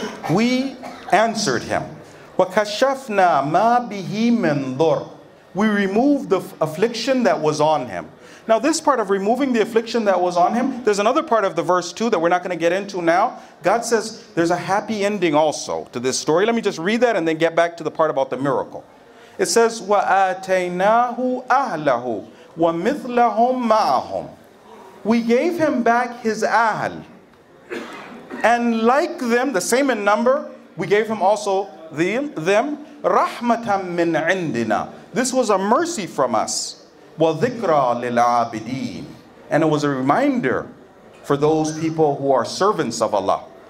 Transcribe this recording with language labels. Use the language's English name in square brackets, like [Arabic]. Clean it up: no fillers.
[English] We answered him. Wa kashafna ma bihi min dhur. We removed the affliction that was on him. Now this part of removing the affliction that was on him, there's another part of the verse too that we're not going to get into now. God says there's a happy ending also to this story. Let me just read that and then get back to the part about the miracle. It says, [Arabic] وَآتَيْنَاهُ أَهْلَهُ وَمِثْلَهُمْ مَعَهُمْ. [English] We gave him back his ahl. And like them, the same in number, we gave him also them, [Arabic] رَحْمَةً مِّنْ عِنْدِنَا. [English] This was a mercy from us. [Arabic] وَذِكْرَى لِلْعَابِدِينَ. [English] And it was a reminder for those people who are servants of Allah.